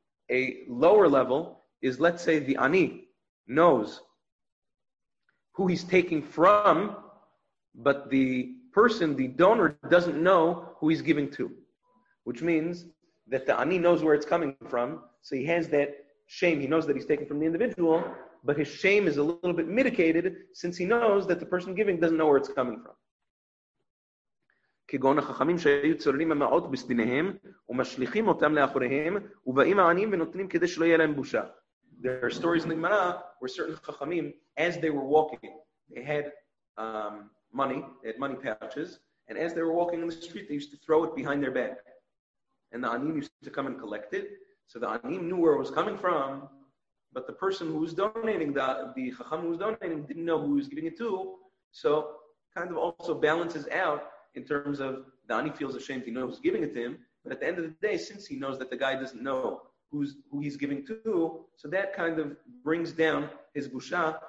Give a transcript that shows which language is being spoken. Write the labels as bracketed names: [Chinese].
[English] A lower level is, let's say, the Ani knows who he's taking from, but the person, the donor, doesn't know who he's giving to. Which means that the Ani knows where it's coming from, so he has that shame. He knows that he's taking from the individual, but his shame is a little bit mitigated since he knows that the person giving doesn't know where it's coming from. [Hebrew] כגון החכמים שהיו צוררים המעות בסדיניהם ומשליחים אותם לאחוריהם ובאים העניים ונותנים כדי שלא יהיה להם בושה. [English] There are stories in the Gemara where certain chachamim, as they were walking, they had money, they had money pouches, and as they were walking on the street, they used to throw it behind their back. And the anim used to come and collect it, so the anim knew where it was coming from, but the person who was donating, the chacham who was donating, didn't know who he was giving it to, so kind of also balances out in terms of the anim feels ashamed, he knows who's giving it to him, but at the end of the day, since he knows that the guy doesn't know who he's giving to, so that kind of brings down his busha.